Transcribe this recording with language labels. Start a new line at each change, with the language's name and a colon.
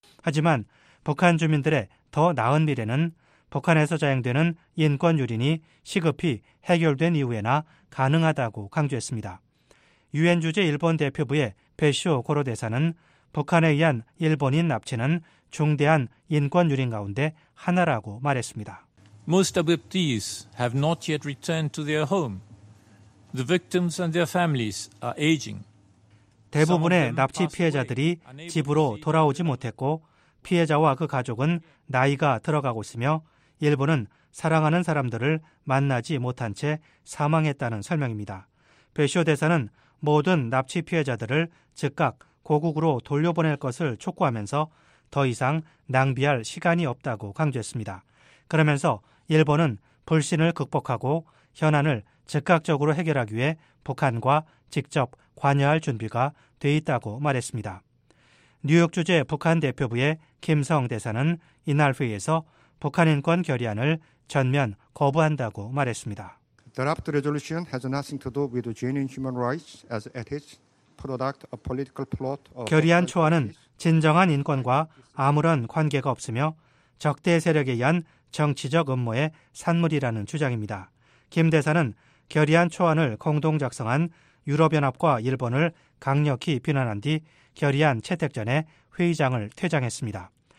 Korean: 하지만 북한 주민들의 더 나은 미래는 북한에서 자행되는 인권 유린이 시급히 해결된 이후에나 가능하다고 강조했습니다. 유엔 주재 일본 대표부의 베쇼 고로 대사는 북한에 의한 일본인 납치는 중대한 인권 유린 가운데 하나라고 말했습니다.
English: Most of these have not yet returned to their home. The victims and their families are aging.
Korean: 대부분의 납치 피해자들이 집으로 돌아오지 못했고 피해자와 그 가족은 나이가 들어가고 있으며 일부는 사랑하는 사람들을 만나지 못한 채 사망했다는 설명입니다. 베시오 대사는 모든 납치 피해자들을 즉각 고국으로 돌려보낼 것을 촉구하면서 더 이상 낭비할 시간이 없다고 강조했습니다. 그러면서 일본은 불신을 극복하고 현안을 즉각적으로 해결하기 위해 북한과 직접 관여할 준비가 돼 있다고 말했습니다. 뉴욕주재 북한 대표부의 김성 대사는 이날 회의에서 북한인권 결의안을 전면 거부한다고 말했습니다.
English: The draft resolution has nothing to do with genuine human rights as it is product of political plot.
Korean: 결의안 초안은 진정한 인권과 아무런 관계가 없으며 적대 세력에 의한 정치적 음모의 산물이라는 주장입니다. 김 대사는 결의안 초안을 공동 작성한 유럽연합과 일본을 강력히 비난한 뒤 결의안 채택 전에 회의장을 퇴장했습니다.